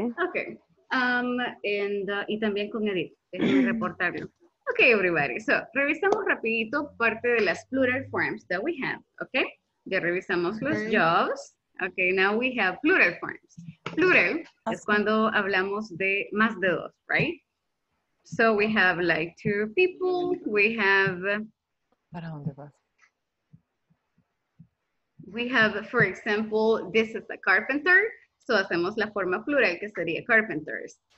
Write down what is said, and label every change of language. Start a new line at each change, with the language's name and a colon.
Spanish: Ok. Y también con Edith, déjenme reportarlo.
English: Ok, everybody.
Spanish: So, revisamos rapidito parte de las
English: plural forms that we have,
Spanish: ok? Ya revisamos los jobs.
English: Ok, now we have plural forms.
Spanish: Plural es cuando hablamos de más de dos, right?
English: So we have like two people, we have...
Spanish: ¿Para dónde vas?
English: We have, for example, this is a carpenter.
Spanish: So hacemos la forma plural que sería carpenters.